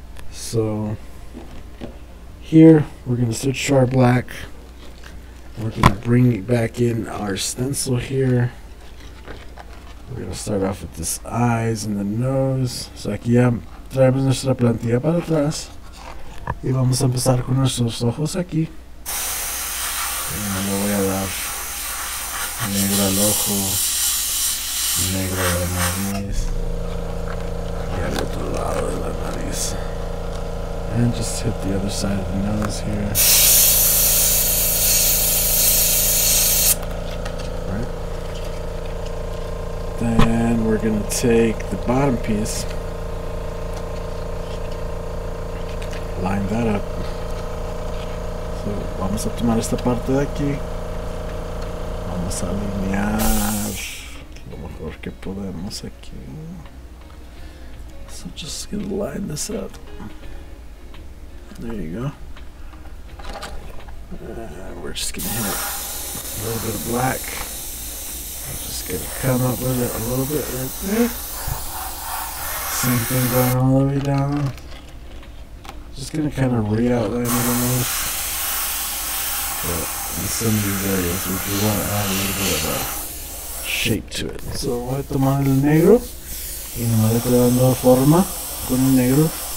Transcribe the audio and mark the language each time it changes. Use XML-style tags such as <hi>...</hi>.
<en>So here we're going to switch to our black. We're going to bring back in our stencil here. We're going to start off with this eyes and the nose. It's like, yeah,</en> <es>traemos nuestra plantilla para atrás. Y vamos a empezar con nuestros ojos aquí. No le voy a dar negro al ojo, negro de la nariz, y al otro lado de la nariz.</es> <en>And just hit the other side of the nose here. Right. Then we're going to take the bottom piece. Line that up.</en> <es>So vamos a tomar esta parte de aquí. Vamos a alinear lo mejor que podemos aquí.</es> <en>So just gonna line this up. There you go. We're just gonna hit a little bit of black. I'm just gonna come up with it a little bit right there. Same thing going all the way down. Just gonna kind of re-outline it almost. But in some of these areas, we do want to add a little bit of a shape to it.</en> <es>So, voy a tomar el negro. Y me voy a ir dando forma con el negro.</es>